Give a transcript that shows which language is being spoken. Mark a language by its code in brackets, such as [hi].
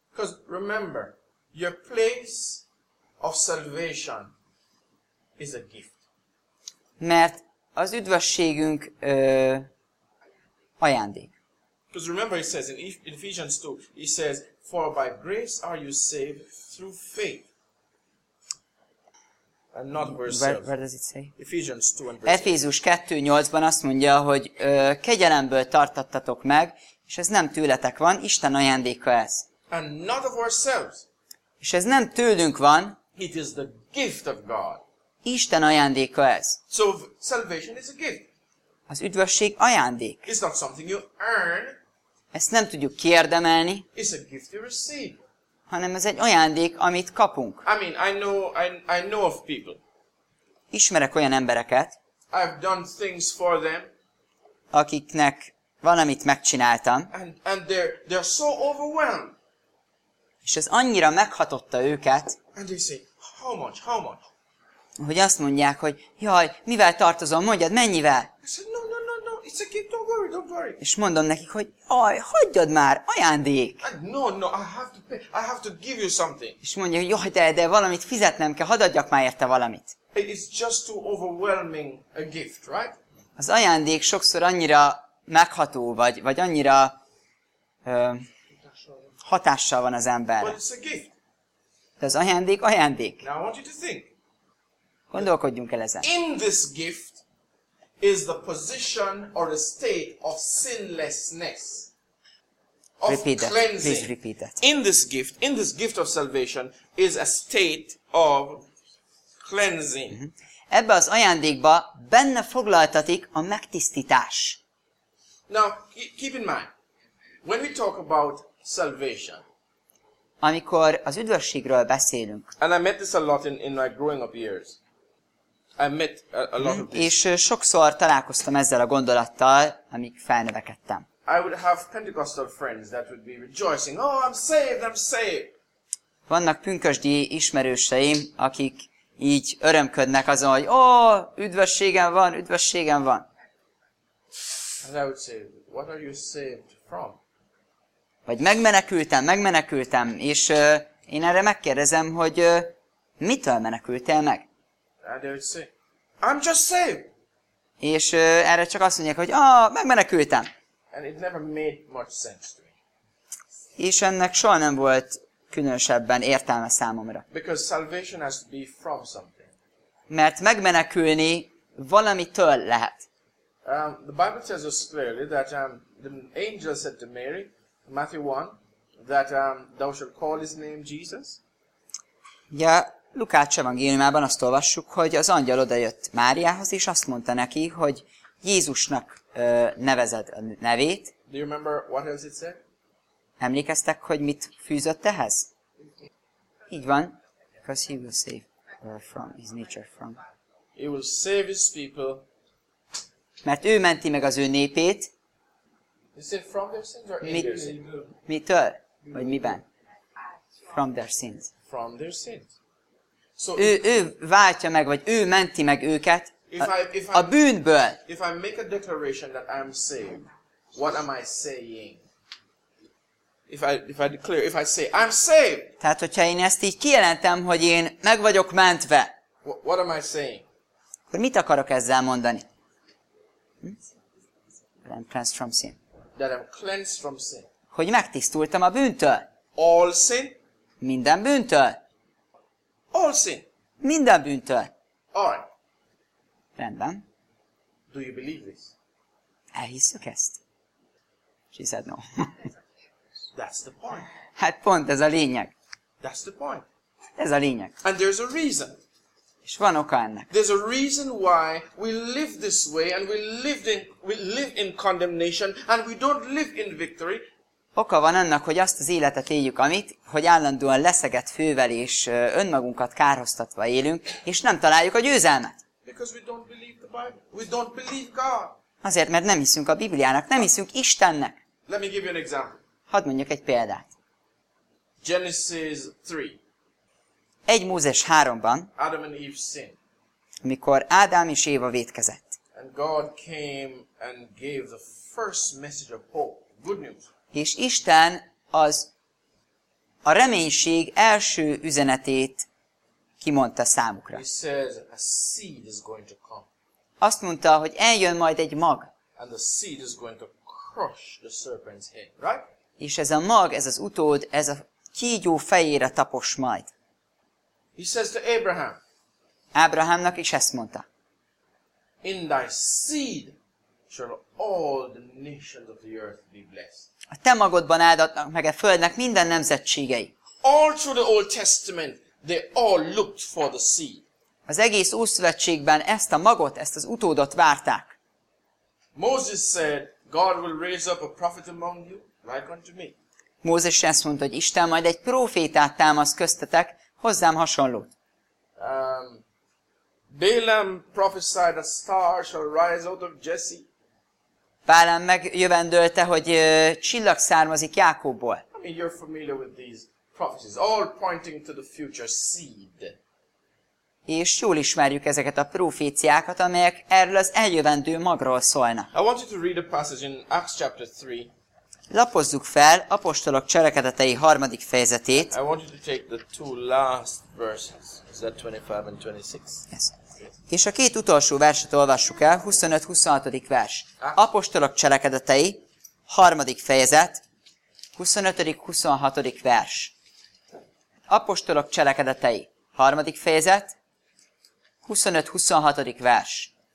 [en] Because remember, your place of salvation is a gift. [hu] Mert az üdvösségünk ajándék. [en] Because remember he says in Ephesians 2, he says, for by grace are you saved through faith. And not verse where does it say? Ephesians 2 and verse 7. [hu] Efézus 2:8-ban azt mondja, hogy kegyelemből tartattatok meg, és ez nem tőletek van, Isten ajándéka ez. [en] And not of ourselves. [hu] És ez nem tőlünk van. [en] It is the gift of God. [hu] Isten ajándéka ez. [en] So salvation is a gift. [hu] Az üdvösség ajándék. [en] It's not something you earn. [hu] Ezt nem tudjuk kiérdemelni. [en] It's a gift you receive. [hu] Hanem ez egy ajándék, amit kapunk. [en] I mean, I know of people. [hu] Ismerek olyan embereket. [en] I've done things for them. [hu] Akiknek valamit megcsináltam. [en] And they're so overwhelmed. [hu] És ez annyira meghatotta őket. [en] And they say, how much? [hu] Hogy azt mondják, hogy jaj, mivel tartozom, mondjad, mennyivel? [en] I said, no, it's a gift, don't worry. [hu] És mondom nekik, hogy jaj, hagyjad már, ajándék. [en] No, I have to give you something. [hu] És mondja, hogy jaj, de valamit fizetnem kell, hadd adjak már érte valamit. [en] It's just too overwhelming a gift, right? [hu] Az ajándék sokszor annyira megható, vagy annyira hatással van az ember. [en] But it's a gift. [hu] De az ajándék, ajándék. [en] Now I want you to think. [hu] Gondolkodjunk el ezen. [en] In this gift is the position or the state of sinlessness. Please repeat that. In this gift of salvation is a state of cleansing. Mm-hmm. [hu] Ebbe az ajándékba benne foglaltatik a megtisztítás. [en] Now, keep in mind, when we talk about salvation, [hu] amikor az üdvösségről beszélünk, [en] and I met this a lot in my growing up years, I met a lot of this. [hu] És sokszor találkoztam ezzel a gondolattal, amíg felnövekedtem. [en] I would have Pentecostal friends that would be rejoicing. Oh, I'm saved. [hu] Vannak pünkösdi ismerőseim, akik így örömködnek azon, hogy oh, üdvösségem van. [en] And I would say, what are you saved from? [hu] Vagy megmenekültem, és én erre megkérdezem, hogy mitől menekültél meg? [en] And they would say, I'm just saved. [hu] És erre csak azt mondják, hogy megmenekültem. [en] And it never made much sense to me. [hu] És ennek soha nem volt különösebben értelme számomra. [en] Because salvation has to be from something. [hu] Mert megmenekülni valamitől lehet. [en] The Bible tells us clearly that the angel said to Mary, Matthew 1, that thou shalt call his name Jesus. [hu] Ja, Lukács evangéliumában azt olvassuk, hogy az angyal odajött Máriához, és azt mondta neki, hogy Jézusnak nevezed a nevét. [en] Do you remember what else it said? [hu] Emlékeztek, hogy mit fűzött ehhez? Így van. [en] Because he will save from his nature from. He will save his people. [hu] Mert ő menti meg az ő népét. [en] Is it from their sins or in their sins? [hu] Mitől? Vagy miben? [en] From their sins. From their sins. [hu] So ő váltja meg, vagy ő menti meg őket. A bűnből. [en] If I make a declaration that I'm saved, what am I saying? If I say I'm saved. [hu] Tehát, hogyha én ezt így kijelentem, hogy én meg vagyok mentve. [en] What am I saying? [hu] Akkor mit akarok ezzel mondani? [en] I'm cleansed from sin. That I'm cleansed from sin. [hu] Hogy megtisztultam a bűntől. [en] All sin. [hu] Minden bűntől. [en] All sin. [hu] Minden bűntől. [en] All. [hu] Rendben. [en] Do you believe this? [hu] Elhisszük ezt? [en] She said no. That's the point. [hu] Hát pont ez a lényeg. [en] That's the point. [hu] Ez a lényeg. [en] And there's a reason. [hu] És van oka ennek. [en] There's a reason why we live this way and we live in condemnation and we don't live in victory. [hu] Oka van annak, hogy azt az életet éljük, amit, hogy állandóan leszegett fővel és önmagunkat kárhoztatva élünk, és nem találjuk a győzelmet. [en] Because we don't believe the Bible. We don't believe God. [hu] Azért, mert nem hiszünk a Bibliának, nem hiszünk Istennek. [en] Let me give you an example. [hu] Hadd mondjak egy példát. [en] Genesis 3. [hu] Egy Mózes 3-ban, [en] Adam and Eve sin. [hu] Amikor Ádám és Éva vétkezett. [en] And God came and gave the first message of hope, good news. [hu] És Isten az a reménység első üzenetét kimondta számukra. [en] He says, a seed is going to come. [hu] Azt mondta, hogy eljön majd egy mag. [en] And the seed is going to crush the serpent's head, right? [hu] És ez a mag, ez az utód, ez a kígyó fejére tapos majd. [en] He says to Abraham. [hu] Ábrahámnak is ezt mondta. [en] In thy seed shall all the nations of the earth be blessed. [hu] A te magodban áldatnak meg a földnek minden nemzetségei. [en] All through the Old Testament they all looked for the seed. [hu] Az egész Ószövetségben ezt a magot, ezt az utódot várták. [en] Moses said, God will raise up a prophet among you, like unto me. [hu] Mózes ezt mondta, hogy Isten majd egy prófétát támasz köztetek, hozzám hasonlót. [en] Balaam prophesied a star shall rise out of Jesse. [hu] Bálán megjövendölte, hogy csillag származik Jákobból. [en] I mean, you're familiar with these prophecies, all pointing to the future seed. [hu] És jól ismerjük ezeket a proféciákat, amelyek erről az eljövendő magról szólnak. [en] I want you to read a passage in Acts chapter 3. [hu] Lapozzuk fel Apostolok cselekedetei 3. fejezetét. [en] I want you to take the two last verses, is that 25 and 26? Yes. [hu] És a két utolsó verset olvassuk el, 25-26. Vers. Apostolok cselekedetei, 3. fejezet, 25-26. Vers. Apostolok cselekedetei, 3. fejezet, 25-26. Vers.